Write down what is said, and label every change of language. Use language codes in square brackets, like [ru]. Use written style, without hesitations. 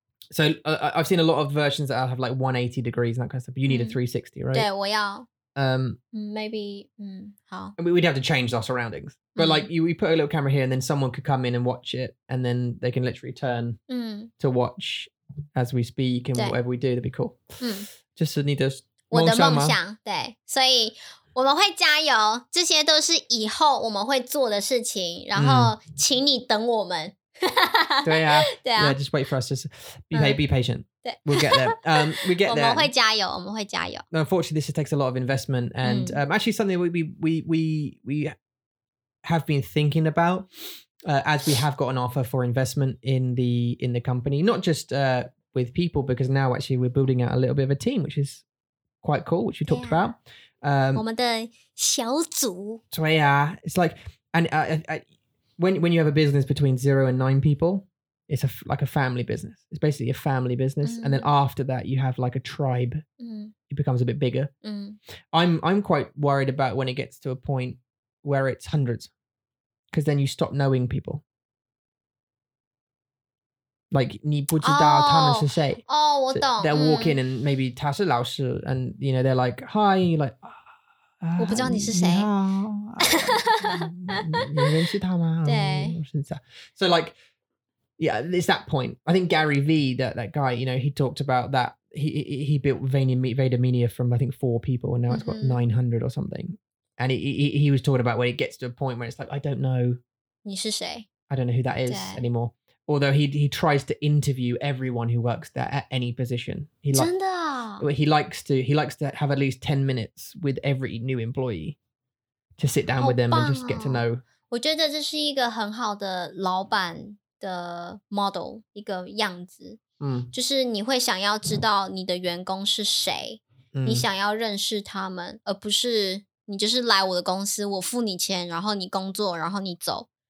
[en] So I've seen a lot of versions that have like 180 degrees and that kind of stuff. But you need a 360, right? [zh] 对，我要。 [en] Maybe, how? We'd have to change our surroundings. But like you put a little camera here and then someone could come in and watch it and then they can literally turn to watch as we speak and whatever we do, that'd be cool. Just need to... [zh] 我的梦想，对，所以我们会加油，这些都是以后我们会做的事情，然后请你等我们。对啊，对啊， [en] yeah, just wait for us. Just be patient. We'll get there. We get there. [zh] 我们会加油，我们会加油. [en] No, unfortunately, this takes a lot of investment, and actually, something we have been thinking about as we have got an offer for investment in the company, not just with people, because now actually we're building out a little bit of a team, which is quite cool, which we talked about. [zh] 我们的小组. 对啊, [en] it's like When you have a business between 0 and 9 people, it's like a family business. It's basically a family business. Mm-hmm. And then after that, you have like a tribe. Mm-hmm. It becomes a bit bigger. Mm-hmm. I'm quite worried about when it gets to a point where it's hundreds. Because then you stop knowing people. [zh] Like, 你不知道他们是谁. Oh, 我懂. [en] They'll walk in and maybe [zh] 他是老师. [en] And, you know, they're like, hi, you're like... [zh] 我不知道你是谁。你认识他吗？对。So [en] like, yeah, it's that point. I think Gary V, that guy, you know, he talked about that. He built VaynerMedia from, I think, 4 people, and now it's got 900 or something. And he was talking about when it gets to a point where it's like, I don't know. [zh] 你是谁? [en] I don't know who that is anymore. Although he tries to interview everyone who works there at any position. He likes to have at least 10 minutes with every new employee to sit down with them and just get to know. [zh] 我觉得这是一个很好的老板的 model, 一个样子。就是你会想要知道你的员工是谁，你想要认识他们，而不是你就是来我的公司，我付你钱，然后你工作，然后你走。